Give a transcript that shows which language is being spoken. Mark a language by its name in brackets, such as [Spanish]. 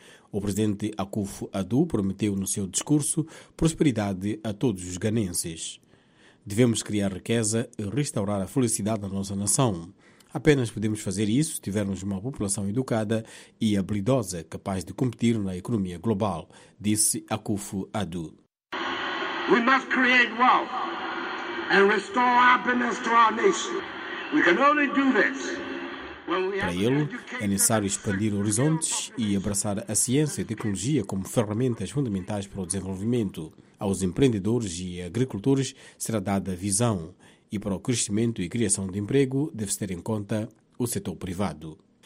[Portuguese] O presidente Akufo-Addo prometeu no seu discurso prosperidade a todos os ganenses. Devemos criar riqueza e restaurar a felicidade da nossa nação. Apenas podemos fazer isso se tivermos uma população educada e habilidosa, capaz de competir na economia global, disse Akufo-Addo. [English] We must create wealth and restore happiness to our nation. We can only do this when we [Portuguese] Para ele, é necessário expandir horizontes e abraçar a ciência e a tecnologia como ferramentas fundamentais para o desenvolvimento. Aos empreendedores e agricultores será dada visão e para o crescimento e criação de emprego deve-se ter em conta o setor privado.